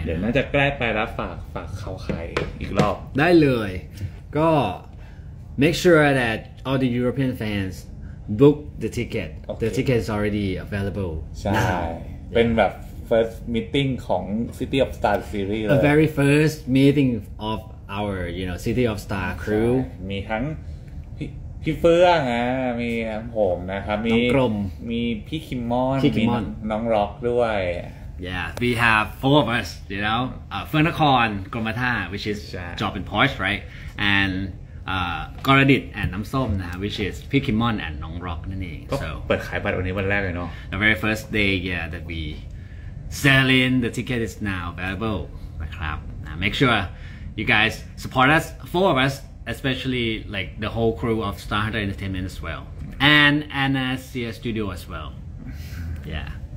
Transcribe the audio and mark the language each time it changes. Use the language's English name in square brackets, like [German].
[Thai] เดี๋ยวน่าจะใกล้ไปแล้วฝากเขาใครอีกรอบ ได้เลยก็ [English] Make sure that all the European fansbook the ticket okay. the ticket is already available [Thai] ใช่ เป็นแบบ [English] first meeting [Thai] ของ City of Star series [English] the very first meeting of our you know City of Star crew [Thai] มีทั้งพี่เฟื่องมีผมนะครับมีน้องกรม มีพี่คิมมอน พี่คิมมอน น้องร็อกด้วย [English] yeah we have four of us you know เฟื่องนครกรมท่า which is job in Porsche right andกรดิตและน้ำส้มนะ which is พี่คิมมอนและน้องร็อกนั่นเอง [Thai] ก็เปิดขายบัตรวันนี้วันแรกเลยเนาะ [English] the very first day yeah that we sell in the ticket is now available นะครับ make sure you guys support us four of us especially like the whole crew of Star Hunter Entertainment as well and Anna's Studio as well yeah